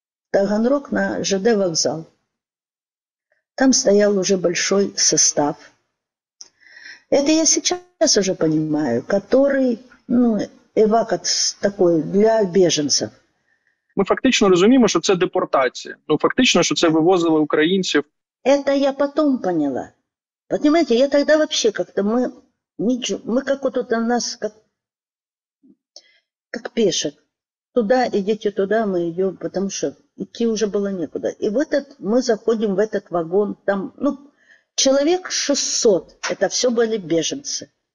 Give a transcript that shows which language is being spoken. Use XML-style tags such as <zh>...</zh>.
<ru>Таганрог на ЖД вокзал. Там стоял уже большой состав. Это я сейчас уже понимаю, который, ну, эвакат такой для беженцев.</ru> <uk>Мы фактично розуміємо, що це депортація. Ну, фактично, що це вивозили українців.</uk> <ru>Это я потом поняла. Понимаете, я тогда вообще как-то, мы как вот тут у нас, как пешек. Туда идите, туда мы идем, потому что идти уже было некуда. И в этот, мы заходим в этот вагон, там, ну, человек 600, это все были беженцы.</ru>